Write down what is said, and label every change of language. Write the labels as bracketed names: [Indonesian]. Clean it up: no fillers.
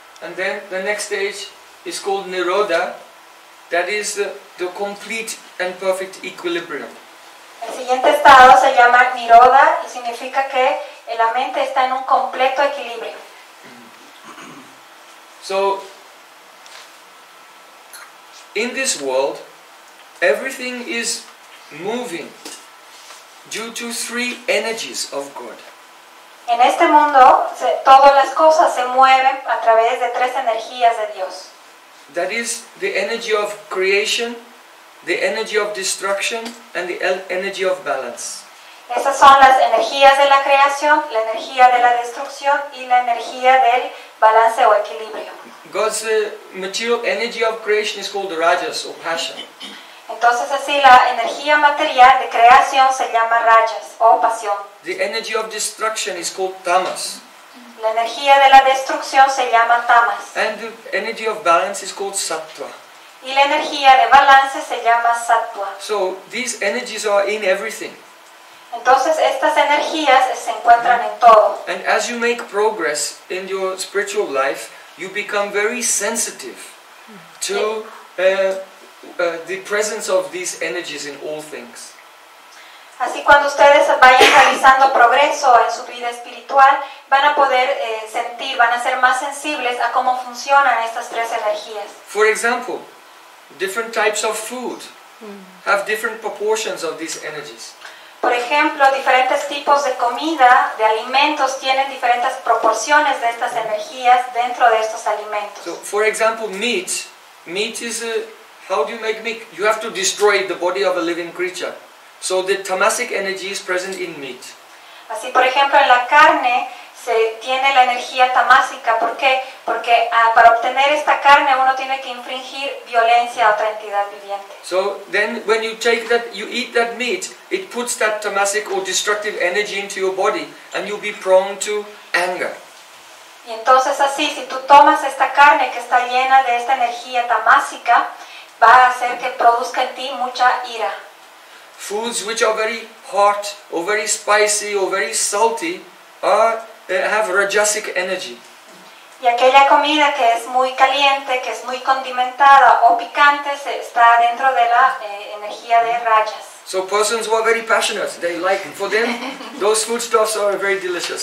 [English] And then the next stage is called Nirodha. That is the complete and perfect equilibrium. [Spanish] El siguiente estado se llama Nirodha y significa que la mente está en un completo equilibrio. [English] So, in this world, everything is moving due to three energies of God. [Spanish] En este mundo, todas las cosas se mueven a través de tres energías de Dios. [English] That is the energy of creation, the energy of destruction, and the energy of balance. [Spanish] Esas son las energías de la creación, la energía de la destrucción, y la energía del balance o equilibrio. [English] God's material energy of creation is called rajas or passion. [Spanish] Entonces así la energía material de creación se llama rajas o pasión. [English] The energy of destruction is called tamas. [Spanish] La energía de la destrucción se llama tamas. [English] And the energy of balance is called sattva. [Spanish] Y la energía de balance se llama sattva. [English] So these energies are in everything. [Spanish] Entonces estas energías se encuentran en todo. [English] And as you make progress in your spiritual life, you become very sensitive to the presence of these energies in all things. [Spanish] Así cuando ustedes vayan realizando progreso en su vida espiritual, van a poder sentir, van a ser más sensibles a cómo funcionan estas tres energías. [English] For example, different types of food have different proportions of these energies. [Spanish] Por ejemplo, diferentes tipos de comida, de alimentos, tienen diferentes proporciones de estas energías dentro de estos alimentos. [English] So, for example, meat. Meat is, how do you make meat? You have to destroy the body of a living creature. So the tamasic energy is present in meat. [Spanish] Así, por ejemplo, en la carne se tiene la energía tamásica. ¿Por qué? Porque para obtener esta carne uno tiene que infringir violencia a otra entidad viviente. [English] So then when you take that, you eat that meat, it puts that tamasic or destructive energy into your body and you'll be prone to anger. [Spanish] Y entonces así, si tú tomas esta carne que está llena de esta energía tamásica, va a hacer que produzca en ti mucha ira. [English] Foods which are very hot or very spicy or very salty have rajasic energy. [Spanish] Y aquella comida que es muy caliente, que es muy condimentada o picante, está dentro de la energía de rajas. [English] So persons who are very passionate, they like, for them, those foodstuffs are very delicious.